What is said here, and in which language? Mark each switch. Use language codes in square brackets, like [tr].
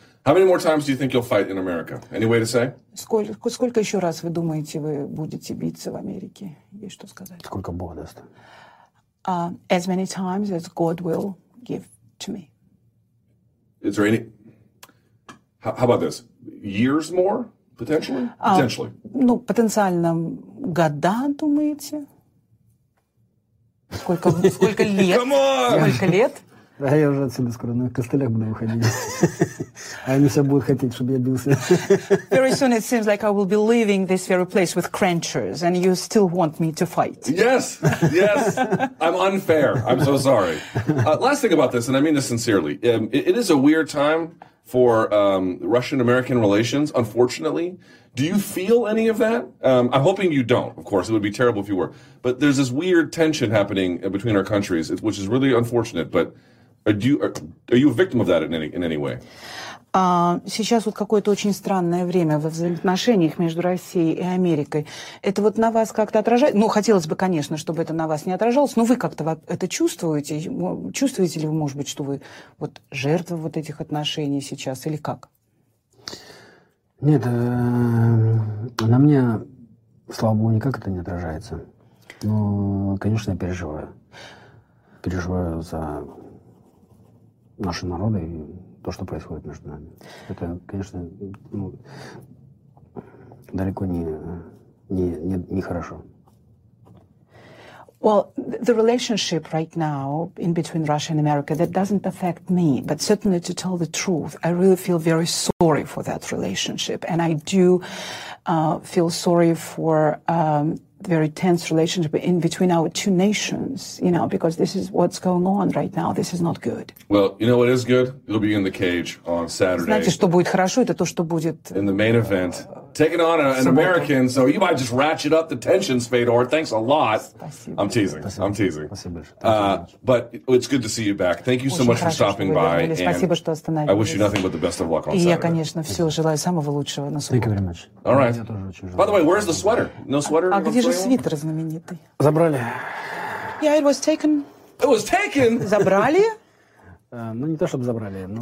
[en] How many more times do you think you'll fight in America? Any way to say? [ru] Сколько еще раз вы думаете, вы будете биться в Америке? Есть что сказать? Сколько Бог даст? [en] As many times as God will give to me. Is there any... How about this? Years more, potentially? Potentially. [ru] Ну, потенциально года, думаете? Сколько лет? [en] Come on! [ru] Сколько лет? А я уже отсюда скоро на костылях буду выходить. А они все будут хотеть, чтобы я бился. [en] Very soon it seems like I will be leaving this very place with crunchers, and you still want me to fight. Yes. I'm unfair. I'm so sorry. Last thing about this, and I mean this sincerely. It is a weird time for Russian-American relations, unfortunately. Do you feel any of that? I'm hoping you don't, of course. It would be terrible if you were. But there's this weird tension happening between our countries, which is really unfortunate, but... Are you a victim of that in any way? [ru] Сейчас вот какое-то очень странное время во взаимоотношениях между Россией и Америкой. Это вот на вас как-то отражается? Ну, хотелось бы, конечно, чтобы это на вас не отражалось, но вы как-то это чувствуете? Чувствуете ли вы, может быть, что вы вот жертва вот этих отношений сейчас или как? Нет, на мне, слава богу, никак это не отражается. Но, конечно, я переживаю. Переживаю за наши народы и то, что происходит между нами. Это, конечно, ну, далеко не хорошо. [en] Well, the relationship right now in between Russia and America, that doesn't affect me. But certainly, to tell the truth, I really feel very sorry for that relationship. And I do feel sorry for the very tense relationship in between our two nations, you know, because this is what's going on right now. This is not good. Well, you know what is good? It'll be in the cage on Saturday. [ru] Знаете, что будет хорошо, это то, что будет... [en] In the main event. Taking on an American, so you might just ratchet up the tensions, Fedor. Thanks a lot. I'm teasing. I'm teasing. But it's good to see you back. Thank you so much for stopping by. And I wish you nothing but the best of luck on Saturday. [ru] Я, конечно, все желаю самого лучшего на субботу. [en] Thank you very much. All right. By the way, where's the sweater? No sweater? [ru] А где же свитер знаменитый? Забрали. [en] Yeah, it was taken. It was taken? [ru] Забрали? Ну, не то, чтобы забрали, но...